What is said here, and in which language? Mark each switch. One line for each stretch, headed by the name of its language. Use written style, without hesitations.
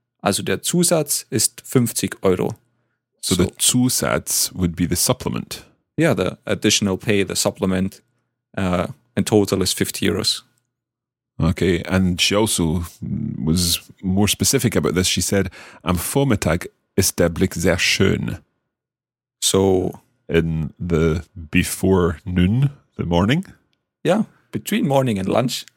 German: Also der Zusatz ist 50 Euro.
English: So the Zusatz would be the supplement. Yeah, the additional pay, the supplement, in total is 50 euros. Okay, and she also was more specific about this. She said,
German: am Vormittag ist der Blick sehr schön.
English: So, in the before noon, the morning? Yeah, between morning and lunch.